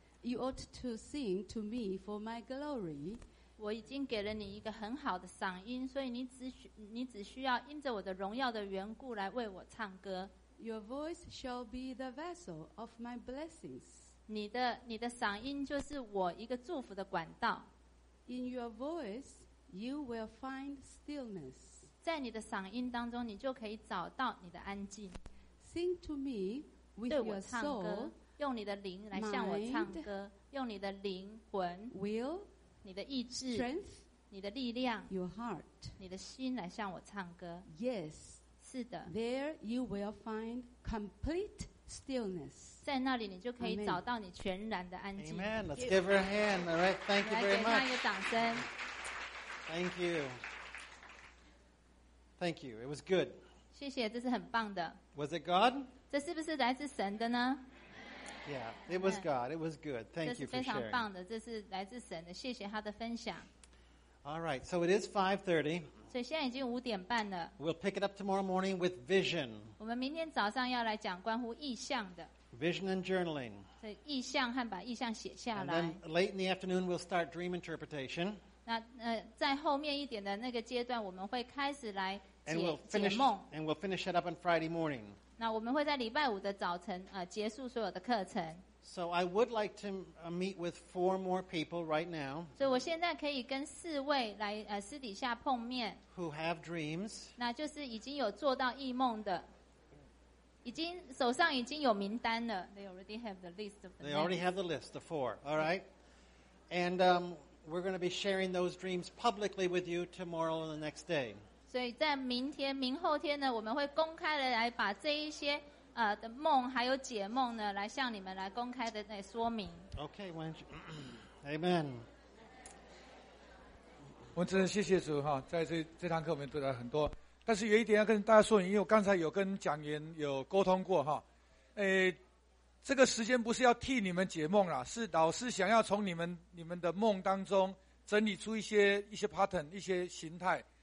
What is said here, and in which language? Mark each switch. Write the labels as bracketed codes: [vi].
[en] You ought to sing to me for my glory. [zh] 我已经给了你一个很好的嗓音，所以你只需要因着我的荣耀的缘故来为我唱歌。 [en] Your voice shall be the vessel of my blessings. [zh] 你的嗓音就是我一个祝福的管道。 [en] In your voice, you will find stillness. [zh] 在你的嗓音当中，你就可以找到你的安静。 [en] Sing to me. With [zh] 对我唱歌 [en] soul, [zh] 用你的灵来向我唱歌 [en] mind, [zh] 用你的灵魂 [en] will, [zh] 你的意志 [en] strength, [zh] 你的力量 [en] your heart, [zh] 你的心来向我唱歌 [en] yes, [zh] 是的 [en] there you will find complete stillness [zh] 在那里你就可以找到你全然的安静 [en] Amen, let's give her a hand All right, thank you very much [zh] 来给她一个掌声 [en] Thank you Thank you, it was good [zh] 谢谢这是很棒的 [en] Was it God? [zh] 这是不是来自神的呢 [en] Yeah, it was God. It was good. Thank you for sharing. [zh] 这是非常棒的，这是来自神的。谢谢他的分享。 [en] All right, so it is 5:30. [zh] 所以现在已经五点半了。 [en] We'll pick it up tomorrow morning with vision. [zh] 我们明天早上要来讲关乎意象的。 [en] Vision and journaling. [zh] 所以意象和把意象写下来。 [en] And then late in the afternoon, we'll start dream interpretation. [zh] 那在后面一点的那个阶段，我们会开始来解梦。 [en] And we'll finish it up on Friday morning. [zh] 那我们会在礼拜五的早晨结束所有的课程。 [en] So I would like to meet with four more people right now. [zh] 所以我现在可以跟四位来私底下碰面。 [en] Who have dreams. [zh] 那就是已经有做到异梦的。已经手上已经有名单了。 [en] They already have the list of the They already have the list, the four. All right. And we're going to be sharing those dreams publicly with you tomorrow and the next day. [zh] 所以在明天、明后天呢，我们会公开的来把这一些的梦还有解梦呢，来向你们来公开的来说明。 [en] Okay, Amen. [zh] 我真的谢谢主哈，在这堂课我们得到很多，但是有一点要跟大家说，因为我刚才有跟讲员有沟通过哈，这个时间不是要替你们解梦啦，是老师想要从你们的梦当中整理出一些 pattern 一些形态。